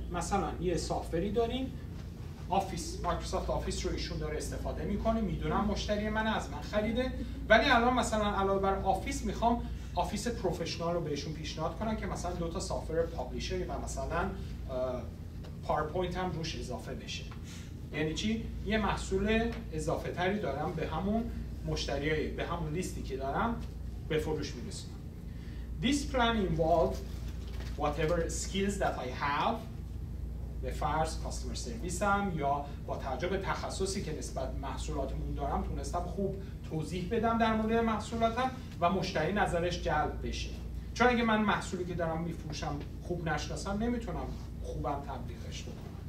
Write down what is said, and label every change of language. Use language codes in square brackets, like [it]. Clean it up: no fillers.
[fa] مثلا یه سافتوری داریم، آفیس، مایکروسافت آفیس رو ایشون داره استفاده میکنه، میدونم مشتری من از من خریده، ولی الان مثلا علاوه بر آفیس میخوام آفیس پروفشنال رو بهشون پیشنهاد کنم که مثلا دوتا سافتور پابلیشر و مثلا پاورپوینت هم روش اضافه بشه. یعنی چی؟ یه محصول اضافه تری دارم به همون مشتری های، به همون لیستی که دارم به فروش میرسونم. [en] This plan involved whatever skills that I have. [fa] به فرض کاستمر سرویس هم یا با توجه به تخصصی که نسبت محصولاتمون دارم تونستم خوب توضیح بدم در مورد محصولاتم و مشتری نظرش جلب بشه. چون اگه من محصولی که دارم میفروشم خوب نشناسم نمیتونم خوبم تبلیغش بکنم.